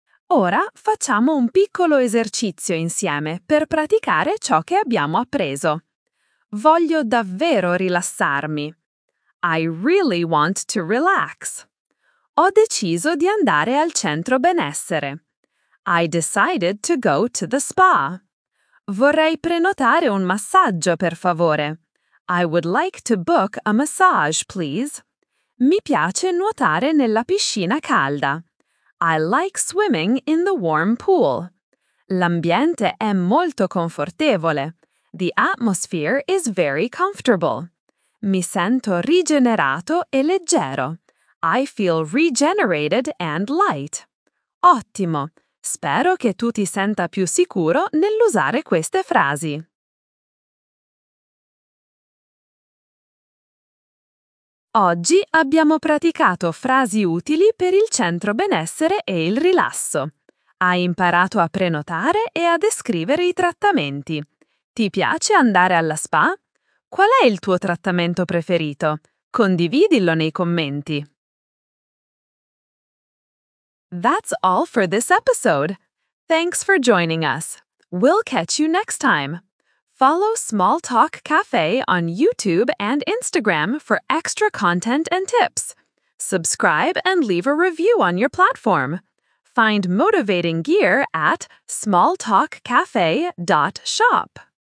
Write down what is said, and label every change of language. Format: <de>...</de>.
<it>Ora facciamo un piccolo esercizio insieme per praticare ciò che abbiamo appreso. Voglio davvero rilassarmi.</it> <en>I really want to relax.</en> <it>Ho deciso di andare al centro benessere.</it> <en>I decided to go to the spa.</en> <it>Vorrei prenotare un massaggio, per favore.</it> <en>I would like to book a massage, please.</en> <it>Mi piace nuotare nella piscina calda.</it> <en>I like swimming in the warm pool.</en> <it>L'ambiente è molto confortevole.</it> <en>The atmosphere is very comfortable.</en> <it>Mi sento rigenerato e leggero.</it> <en>I feel regenerated and light.</en> <it>Ottimo! Spero che tu ti senta più sicuro nell'usare queste frasi. Oggi abbiamo praticato frasi utili per il centro benessere e il rilasso. Hai imparato a prenotare e a descrivere i trattamenti. Ti piace andare alla spa? Qual è il tuo trattamento preferito? Condividilo nei commenti.</it> <en>That's all for this episode. Thanks for joining us. We'll catch you next time. Follow Small Talk Cafe on YouTube and Instagram for extra content and tips. Subscribe and leave a review on your platform. Find motivating gear at smalltalkcafe.shop.</en>